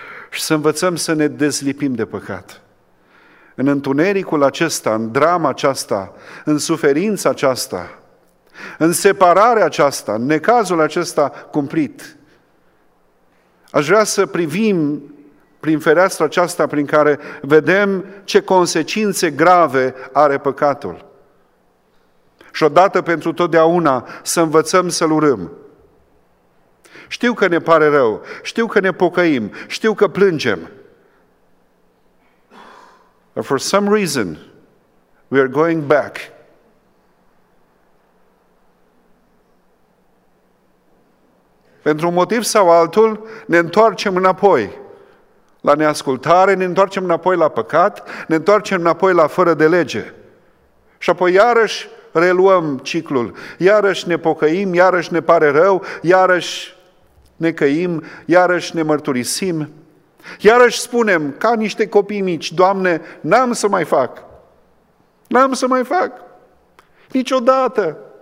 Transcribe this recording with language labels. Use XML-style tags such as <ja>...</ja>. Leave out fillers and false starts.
<ro>Și să învățăm să ne dezlipim de păcat. În întunericul acesta, în drama aceasta, în suferința aceasta, în separarea aceasta, în necazul acesta cumplit, aș vrea să privim prin fereastra aceasta prin care vedem ce consecințe grave are păcatul. Și odată pentru totdeauna să învățăm să-l urâm. Știu că ne pare rău, știu că ne pocăim, știu că plângem.</ro> <en>But for some reason, we are going back.</en> <ro>Pentru un motiv sau altul, ne întoarcem înapoi. La neascultare, ne întoarcem înapoi la păcat, ne întoarcem înapoi la fără de lege. Și apoi iarăși reluăm ciclul, iarăși ne pocăim, iarăși ne pare rău, iarăși ne căim, iarăși ne mărturisim, iarăși spunem ca niște copii mici, Doamne, n-am să mai fac, n-am să mai fac, niciodată.</ro>